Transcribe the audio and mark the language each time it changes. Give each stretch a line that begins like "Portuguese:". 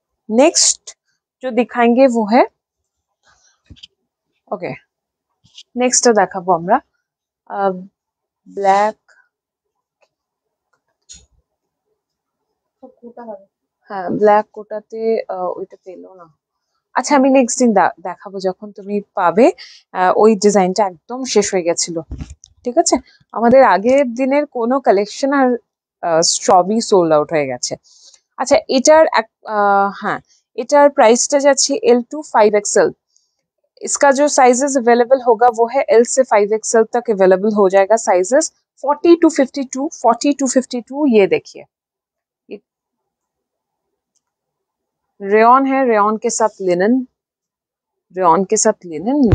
Hindi: Next जो दिखाएंगे वो है, ओके नेक्स्ट देखो हमरा ब्लैक,
Bangla: হ্যাঁ ব্ল্যাক কোটাতে ওইটা পেলো না। আচ্ছা আমি নেক্সট দিন দেখাবো, যখন তুমি পাবে ওই ডিজাইনটা একদম শেষ হয়ে গেছিল, ঠিক আছে। আমাদের আগের দিনের কোনো কালেকশন আর সবই সোল্ড আউট হয়ে গেছে। আচ্ছা এটার এক হ্যাঁ এটার প্রাইসটা যাচ্ছে L2 5XL।
Hindi: इसका जो साइजेस अवेलेबल होगा वो है एल से 5XL तक अवेलेबल हो जाएगा साइजेस, 40 to 52, 40 to 52। ये देखिए रेयॉन है, रेयॉन के साथ लिनन, रेयॉन के साथ लिनन।